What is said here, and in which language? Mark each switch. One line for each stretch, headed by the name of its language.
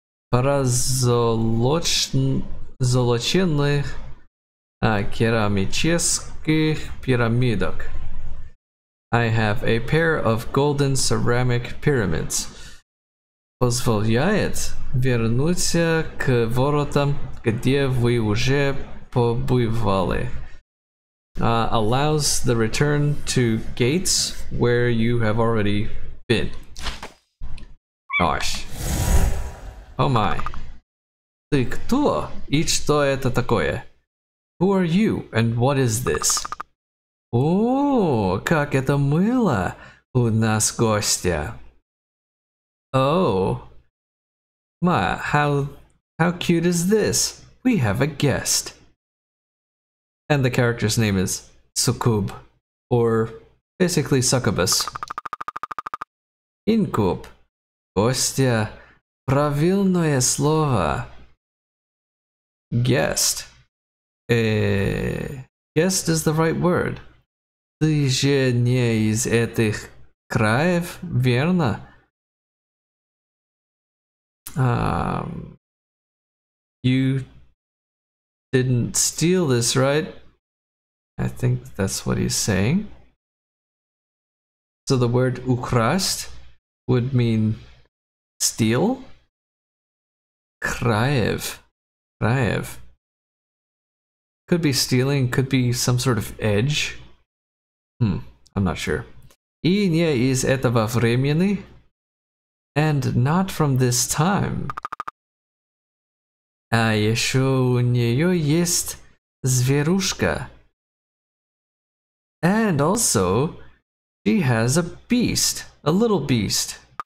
Russian: Пара золоченых кермических пирамидок.
English: I have a pair of golden ceramic pyramids.
Russian: Позволяет вернуться к воротам, где вы уже побывали.
English: Allows the return to gates where you have already been. Gosh. Oh my.
Russian: Ты кто? И что это такое?
English: Who are you and what is this?
Russian: О, как это мило. У нас гостья. Oh,
English: My, how cute is this? We have a guest. And the character's name is Succub, or basically Succubus. Incub.
Russian: Костя, правильное слово.
English: Guest. Guest is the right word.
Russian: Ты же не из этих краев, верно?
English: You didn't steal this, right? I think that's what he's saying. So the word украсть would mean steal?
Russian: Краев. Краев.
English: Could be stealing, could be some sort of edge. I'm not sure.
Russian: И не из этого времени.
English: And not from this time.
Russian: А еще у нее есть зверушка.
English: And also, she has a beast, a little beast.